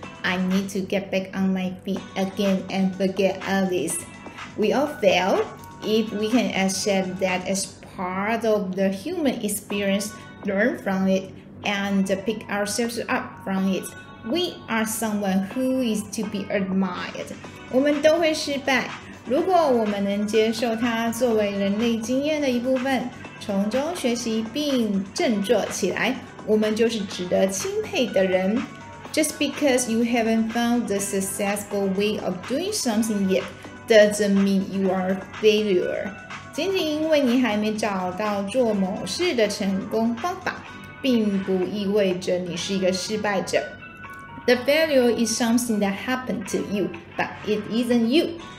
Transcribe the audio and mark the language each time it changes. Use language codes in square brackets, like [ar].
[en] I need to get back on my feet again and forget all this. We all fail if we can accept that as part of the human experience, learn from it, and pick ourselves up from it. We are someone who is to be admired. [zh] 我们都会失败。如果我们能接受它作为人类经验的一部分，从中学习并振作起来，我们就是值得钦佩的人。 [en] Just because you haven't found the successful way of doing something yet doesn't mean you are a failure. [zh] 仅仅因为你还没找到做某事的成功方法，并不意味着你是一个失败者。 [en] The failure is something that happened to you, but it isn't you.